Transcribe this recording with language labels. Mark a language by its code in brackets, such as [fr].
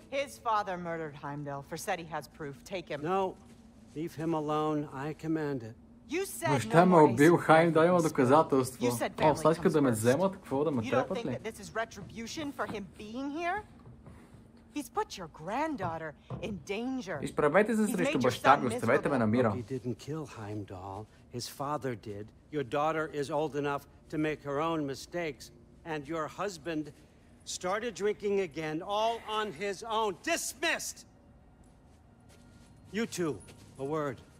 [en] His father murdered Heimdall. For said he has proof. Take him. No. Leave him alone. I command it. You said no more. [bg] Heimdall, има доказателство. [en] You said family comes first. [bg] Да ме вземат, какво, да ме трепат ли? [en] You don't think that this is retribution for him being here? He's put your granddaughter in danger. [bg] Изправете се срещу баща ми, оставете ме на мира. [en] He didn't kill Heimdall. His father did. Your daughter is old enough to make her own mistakes. And your husband started drinking again, all on his own. Dismissed! You two, a word.